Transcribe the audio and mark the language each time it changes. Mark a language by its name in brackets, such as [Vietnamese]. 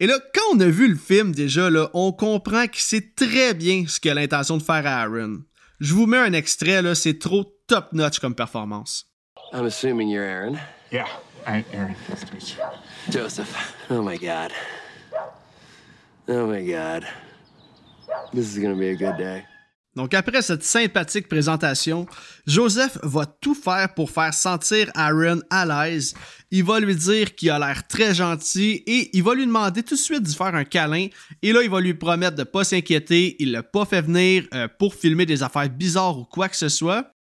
[French] Et là, quand on a vu le film déjà, là, on comprend qu'il sait très bien ce qu'il a l'intention de faire à Aaron. Je vous mets un extrait, là, c'est trop top-notch comme performance. [English] I'm assuming you're Aaron. Yeah, I'm Aaron. Nice to meet you. Joseph, oh my god. Oh my god. This is gonna be a good day. [French] Donc après cette sympathique présentation, Joseph va tout faire pour faire sentir Aaron à l'aise. Il va lui dire qu'il a l'air très gentil et il va lui demander tout de suite d'y faire un câlin. Et là, il va lui promettre de ne pas s'inquiéter. Il ne l'a pas fait venir pour filmer des affaires bizarres ou quoi que ce soit.